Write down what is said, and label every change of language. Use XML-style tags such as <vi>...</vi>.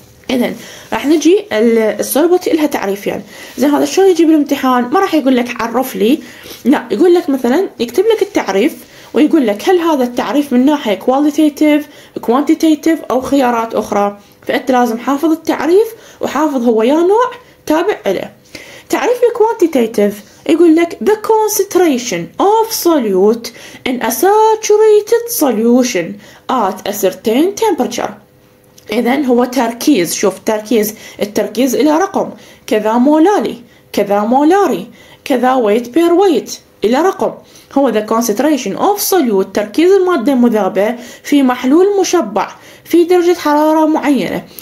<ar>اذا راح نجي السولبوتي لها تعريفين يعني. زين هذا شلون يجي بالامتحان؟ ما راح يقول لك عرف لي، لا يقول لك مثلا يكتب لك التعريف ويقول لك هل هذا التعريف من ناحيه كواليتيتيف كوانتيتيف او خيارات اخرى. فانت لازم حافظ التعريف وحافظ هو يا نوع تابع له. تعريف الكوانتيتيف يقول لك</ar> <en>the concentration of solute in a saturated solution at a certain temperature.</en> <ar>اذا هو تركيز، شوف تركيز، التركيز الى رقم، كذا مولالي، كذا مولاري، كذا ويت بير ويت الى رقم. هو ذا كونسنتريشن اوف سوليوت، تركيز الماده المذابه في محلول مشبع في درجه حراره معينه.</ar>